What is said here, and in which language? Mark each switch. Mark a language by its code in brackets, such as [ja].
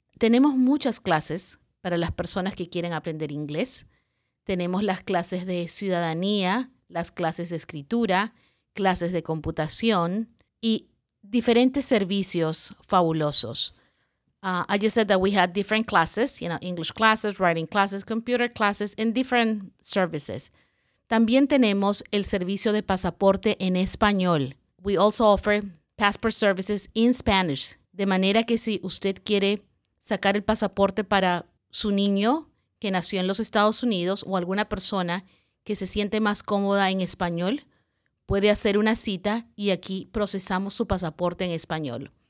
[es] Tenemos muchas clases para las personas que quieren aprender inglés. Tenemos las clases de ciudadanía, las clases de escritura, clases de computación y diferentes servicios fabulosos. [en] I just said that we had different classes, you know, English classes, writing classes, computer classes, and different services. [es] También tenemos el servicio de pasaporte en español. We also offer passport services in Spanish. De manera que si usted quiere sacar el pasaporte para su niño que nació en los Estados Unidos o alguna persona que se siente más cómoda en español, puede hacer una cita y aquí procesamos su pasaporte en español.